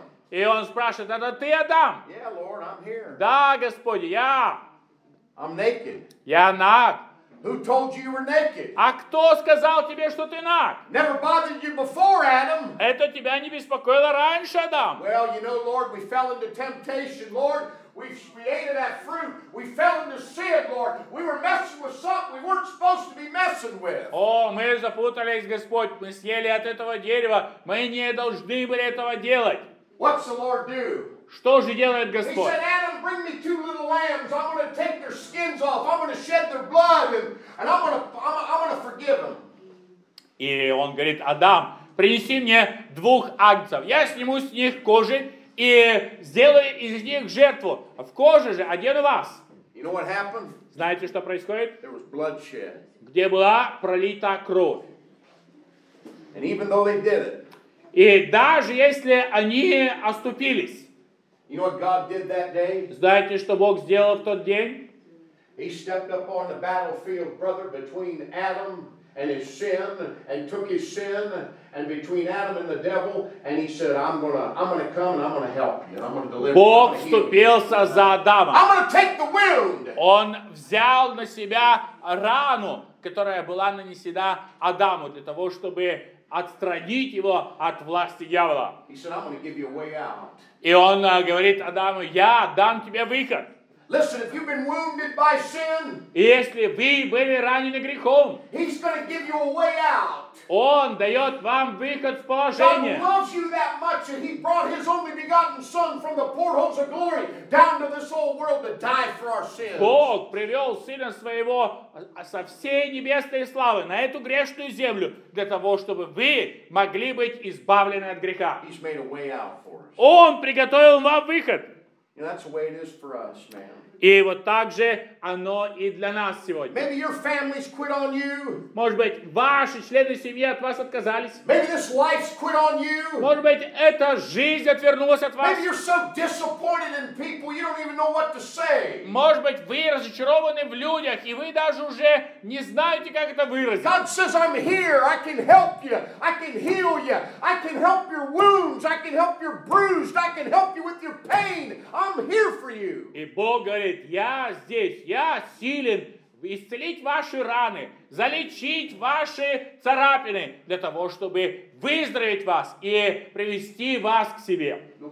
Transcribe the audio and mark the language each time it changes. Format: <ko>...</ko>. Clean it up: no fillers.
<ru>И Он спрашивает, это ты, Адам? Да, Господи, я.</ru> <en>I'm naked.</en> <ru>Я наг.</ru> <en>Who told you you were naked?</en> <ru>А кто сказал тебе, что ты наг?</ru> <en>Never bothered you before, Adam.</en> <ru>Это тебя не беспокоило раньше, Адам.</ru> <en>Well, you know, Lord, we fell into temptation, Lord. We ate of that fruit. We fell into sin, Lord. We were messing with something we weren't supposed to be messing with.</en> <ru>О, мы запутались, Господь. Мы съели от этого дерева. Мы не должны были этого делать.</ru> <en>What's the Lord do?</en> <ru>Что же делает Господь?</ru> <en>He said, Adam, bring me two little lambs. I'm going to take their skins off. I'm going to shed their blood, and I'm going to forgive them.</en> <ru>И он говорит, Адам, принеси мне двух агнцев. Я сниму с них кожи и сделаю из них жертву. В коже же одену вас.</ru> <en>You know what happened?</en> <ru>Знаете, что происходит?</ru> <en>There was bloodshed.</en> <ru>Где была пролита кровь.</ru> <en>And even though they did it,</en> <ru>и даже если они оступились,</ru> <en>you know what God did that day?</en> <ru>Знаете, что Бог сделал в тот день?</ru> <en>He stepped up on the battlefield, brother, between Adam and his sin, and took his sin, and between Adam and the devil, and he said, I'm gonna come and I'm gonna help you, I'm gonna deliver you.</en> <ru>Бог вступился за Адама.</ru> <en>I'm gonna take the wound.</en> <ru>Он взял на себя рану, которая была нанесена Адаму для того, чтобы отстранить его от власти дьявола.</ru> <en>He said, I'm gonna give you a way out.</en> <ru>И он говорит Адаму, я дам тебе выход.</ru> <en>Listen, if you've been wounded by sin,</en> <ru>если вы были ранены грехом,</ru> <en>he's gonna give you a way out.</en> <ru>Он дает вам выход в положение.</ru> <en>God loves you that much, and he brought his only begotten son from the portholes of glory down to this old world to die for our sins.</en> <ru>Бог привел сына своего со всей небесной славы на эту грешную землю для того, чтобы вы могли быть избавлены от греха.</ru> <en>He's made a way out for us.</en> <ru>Он приготовил вам выход.</ru> <en>And that's the way it is for us, man.</en> <ru>И вот так же оно и для нас сегодня.</ru> <en>Maybe your family's quit on you.</en> <ru>Может быть, ваши члены семьи от вас отказались.</ru> <en>Maybe this life's quit on you.</en> <ru>Может быть, эта жизнь отвернулась от вас.</ru> <en>Maybe you're so disappointed in people, you don't even know what to say.</en> <ru>Может быть, вы разочарованы в людях, и вы даже уже не знаете, как это выразить.</ru> <en>God says, I'm here, I can help you, I can heal you, I can help your wounds, I can help your bruised, I can help you with your pain. I'm here for you.</en> <ru>И Бог говорит, я здесь, я силен исцелить ваши раны, залечить ваши царапины для того, чтобы выздороветь вас и привести вас к себе.</ru>